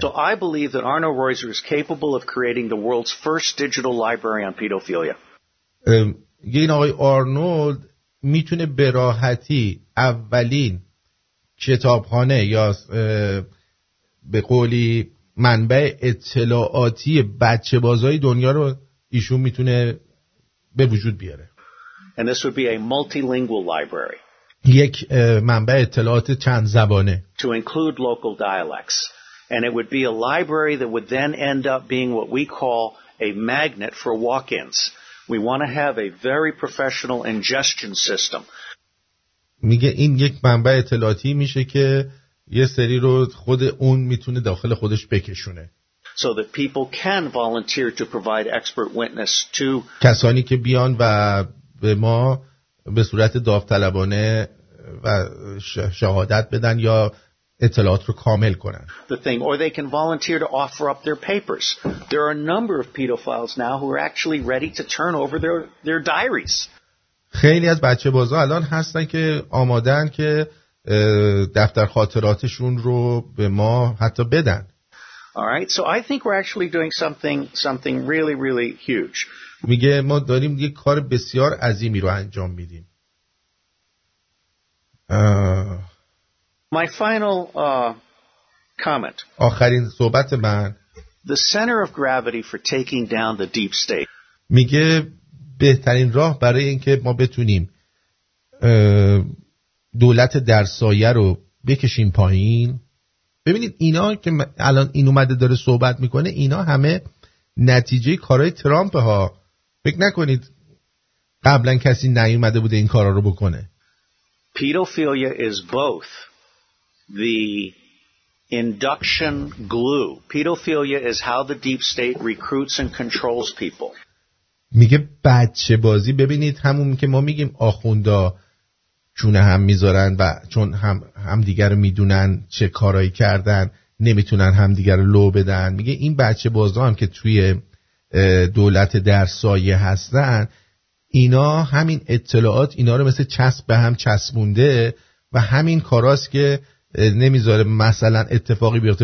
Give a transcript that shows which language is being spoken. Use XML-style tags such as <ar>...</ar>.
<en>So I believe that Arno Reuser is capable of creating the world's first digital library on pedophilia.</en> <fa>این آقای آرنولد میتونه به راحتی اولین کتابخانه یا به قولی منبع اطلاعاتی بچه بازای دنیا رو ایشون میتونه به وجود بیاره.</fa> <en>And this would be a multilingual library.</en> <fa>یک منبع اطلاعات چند زبانه.</fa> <en>To include local dialects. And it would be a library that would then end up being what we call a magnet for walk-ins. We want to have a very professional ingestion system.</en> <fa>میگه این یک منبع اطلاعاتی میشه که یه سری رو خود اون میتونه داخل خودش بکشونه.</fa> <en>So that people can volunteer to provide expert witness to</en> <fa>کسانی که بیان و به ما به صورت داوطلبانه و شهادت بدن یا اطلاعات رو کامل کنن.</fa> <en>The thing or they can volunteer to offer up their papers. There are a number of pedophiles now who are actually ready to turn over their diaries.</en> <fa>خیلی از بچه بازا الان هستن که آمادن که دفتر خاطراتشون رو به ما حتی بدن.</fa> <en>All right. So I think we're actually doing something really really huge.</en> <fa>میگه ما داریم یه کار بسیار عظیمی رو انجام میدیم.</fa> <en>My final comment.</en> <fa>آخرین صحبت من.</fa> <en>The center of gravity for taking down the deep state.</en> <fa>میگه بهترین راه برای اینکه ما بتونیم دولت در سایه رو بکشیم پایین. ببینید اینا که الان این اومده داره صحبت میکنه اینا همه نتیجه کارهای ترامپ ها. فکر نکنید قبلا کسی نیومده بوده این کارا رو بکنه.</fa> <en>Pedophilia is both the induction glue. Pedophilia is how the deep state recruits and controls people.</en> <fa>میگه بچه بازی ببینید همون که ما میگیم آخوندا چون هم میذارن و چون هم دیگر رو میدونن چه کارایی کردن نمیتونن هم دیگر رو لو بدن. میگه این بچه بازا هم که توی دولت در سایه هستن اینا همین اطلاعات اینا رو مثل چسب به هم چسبونده و همین کاراست که نمیذاره مثلا اتفاقی بیفته.</fa>